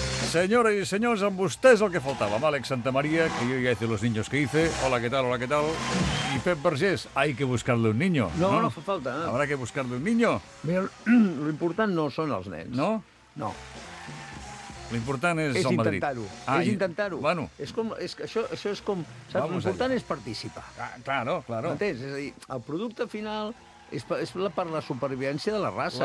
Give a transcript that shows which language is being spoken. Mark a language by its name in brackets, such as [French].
[Spanish] Señores y señores, [Catalan] amb vostès el que faltava. Amb Àlex Santamaría, que jo ja he fet [Spanish] los niños que hice. [Catalan] Hola, què tal, hola, què tal? [Spanish] I Pep Vergés, hay que buscarle un niño. [Catalan] No fa falta. [Spanish] Habrá que buscarle un niño. [Catalan] Mira, l'important no són els nens. No? No. L'important és el Madrid. És intentar-ho. Bueno. Això és com... Saps? L'important és participar. [Spanish] Claro. [Catalan] Entens? És a dir, el producte final... És per la supervivència de la raça.